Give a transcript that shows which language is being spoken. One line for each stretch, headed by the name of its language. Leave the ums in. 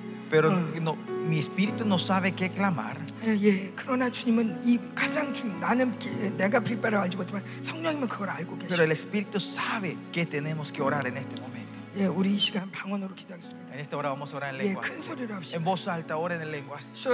Spanish: Pero uh. no, mi espíritu no sabe qué clamar.
Korean: 예, 예. 그러나 주님은 이 가장 중요 나는 기, 내가 빌바를 알지 못하지만 성령님은 그걸 알고 계십니다.
Spanish: Pero el Espíritu sabe que tenemos que orar en este momento. En yeah, yeah. yeah. okay. esta hora vamos a orar en voz alta, oremos en lenguas.